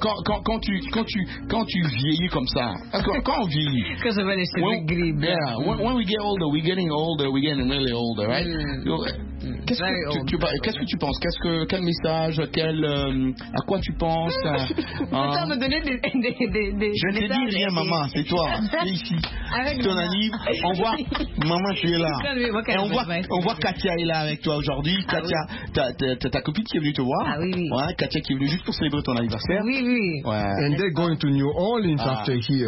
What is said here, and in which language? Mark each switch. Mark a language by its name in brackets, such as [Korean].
[French] Quand tu vieillis comme ça, quand on vieillit, [English] because of all this, when we get older, we're getting older, we're getting really older, right? [French] qu'est-ce que tu parles, qu'est-ce que tu penses, qu'est-ce que quel message, quel à quoi tu penses Attends, me donner des je ne dis rien, maman, c'est toi ici avec ton anime. On voit maman, tu es là. Okay, et on voit Katia est là avec toi aujourd'hui. Katia, ta copine qui est venue te voir. Ah oui, oui. Ouais, Katia qui est venue juste pour célébrer ton anniversaire. Oui, oui. Ouais. [English] And they're going to New Orleans after here.